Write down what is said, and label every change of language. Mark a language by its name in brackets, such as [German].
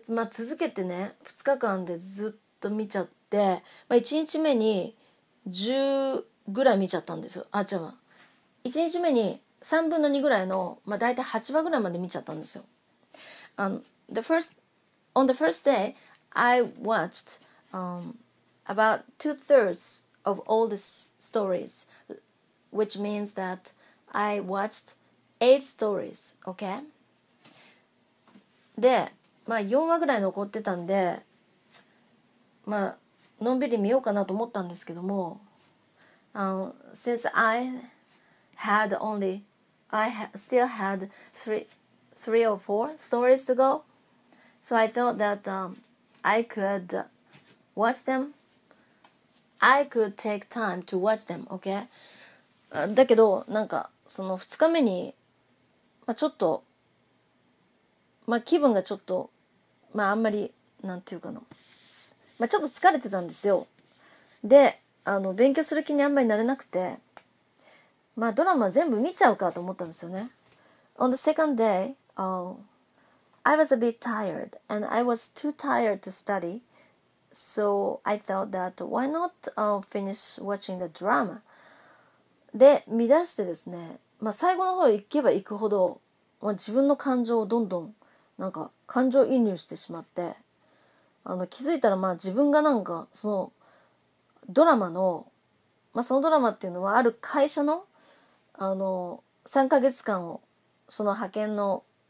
[Japanese] 続けてね、2日間でずっと見ちゃって、1日目に10ぐらい見ちゃったんですよ。あ、違う。 1日目に3分の2ぐらいの、だいたい8話ぐらいまで見ちゃったんですよ。 [English] On the first day, I watched about two-thirds of all the stories, which means thatI watched 8 stories, okay? [Japanese] で、4話ぐらい残ってたんで、のんびり見ようかなと思ったんですけども、 [English] since I had only, still had three or four stories to go, so I thought that I could watch them. I could take time to watch them, okay? [Japanese] だけど、その2日目に、ちょっと、気分がちょっと、あんまり、なんていうかな。ちょっと疲れてたんですよ。で、勉強する気にあんまりなれなくて、まあドラマ全部見ちゃうかと思ったんですよね。 [English] On the second day、I was a bit tired and I was too tired to study. So I thought that why not、finish watching the drama? [Japanese] で見出してですね、まあ最後の方行けば行くほど、まあ、自分の感情をどんどんなんか感情移入してしまって、あの気づいたらまあ自分がなんかそのドラマの、まあ、そのドラマっていうのはある会社の、あの3ヶ月間をその派遣の、